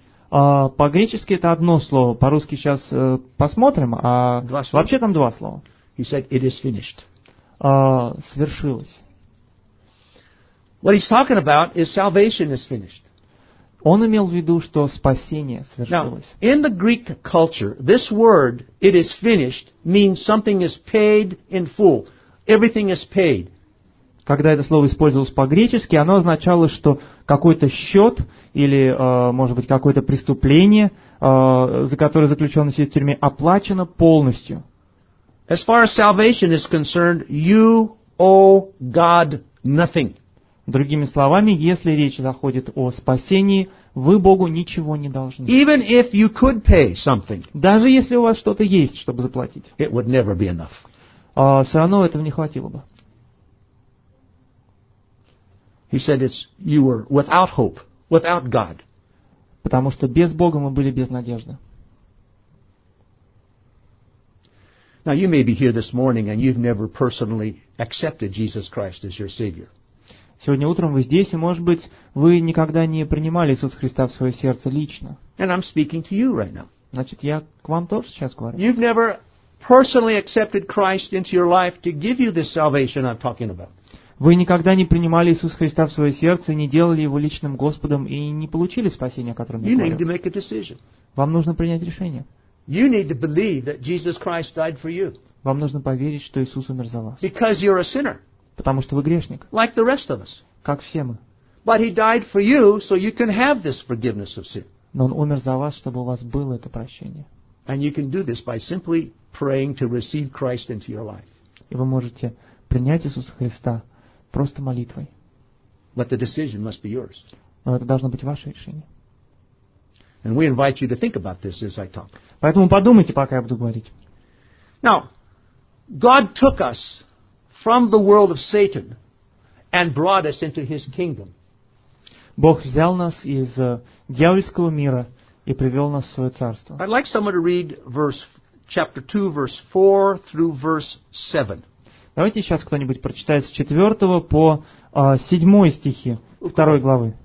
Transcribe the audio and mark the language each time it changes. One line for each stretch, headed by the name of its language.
Russian: По-гречески это одно слово, по-русски сейчас посмотрим, а вообще там два слова.
English: He said, "It is finished."
Russian: Свершилось.
English: What he's talking about is salvation is finished.
Russian: Он имел в виду, что спасение свершилось.
English: Now, in the Greek culture, this word "it is finished" means something is paid in full. Everything is paid.
Russian: Когда это слово использовалось по-гречески, оно означало, что какой-то счет или, может быть, какое-то преступление, за которое заключенный сидит в тюрьме, оплачено полностью.
English: As far as salvation is concerned, you owe God nothing.
Russian: Другими словами, если речь заходит о спасении, вы Богу ничего не должны.
English: Even if you could pay something,
Russian: даже если у вас что-то есть, чтобы заплатить,
English: it would never be enough.
Russian: Все равно этого не хватило бы.
English: He said it's, you were without hope, without God.
Russian: Потому что без Бога мы были без надежды.
English: Now you may be here this morning and you've never personally accepted Jesus Christ as your Savior.
Russian: Сегодня утром вы здесь, и, может быть, вы никогда не принимали Иисуса Христа в свое сердце лично.
English: And I'm speaking to you right now.
Russian: Значит, я к вам тоже сейчас говорю.
English: You've never personally accepted Christ into your life to give you this salvation I'm talking about.
Russian: Вы никогда не принимали Иисуса Христа в свое сердце, не делали Его личным Господом и не получили спасение, о котором я говорю.
English: You need to make a decision.
Russian: Вам нужно принять решение.
English: You need to believe that Jesus Christ died for you.
Russian: Вам нужно поверить, что Иисус умер за вас.
English: Because you're a sinner.
Russian: Потому что вы грешник.
English: Like the rest of us.
Russian: Как все мы.
English: But he died for you, so you can have this forgiveness of sin.
Russian: Но он умер за вас, чтобы у вас было это прощение.
English: And you can do this by simply praying to receive Christ into your life.
Russian: И вы можете принять Иисуса Христа просто молитвой.
English: But the decision must be yours.
Russian: Но это должно быть ваше решение.
English: And we invite you to think about this as I talk.
Russian: Поэтому подумайте, пока я буду говорить.
English: Now, God took us from the world of Satan and brought us into his kingdom.
Russian: Бог взял нас из дьявольского мира и привел нас в свое царство.
English: I'd like someone to read verse chapter 2 verse 4 through verse 7.
Russian: Давайте сейчас кто-нибудь прочитает с 4 по 7 стихи 2 главы.